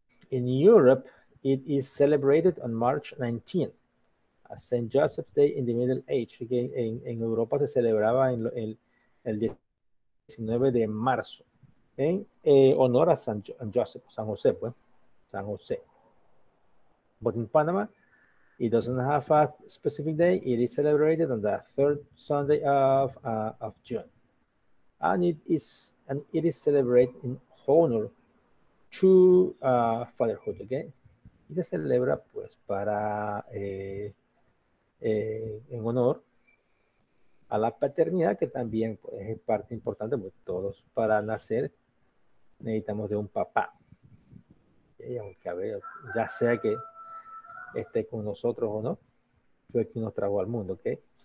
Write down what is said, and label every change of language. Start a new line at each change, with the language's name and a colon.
English: In Europe, it is celebrated on March 19th. A St. Joseph's Day in the Middle Age.
Spanish: En Europa se celebraba el 19 de marzo, en honor a San José, pues, San José.
English: But in Panama, it doesn't have a specific day. It is celebrated on the third Sunday of June. And it is celebrated in honor to fatherhood, okay?
Spanish: Y se celebra, pues, para... en honor a la paternidad, que también, pues, es parte importante, pues todos para nacer necesitamos de un papá. ¿Okay? Aunque a ver, ya sea que esté con nosotros o no, fue quien nos trajo al mundo. ¿Okay?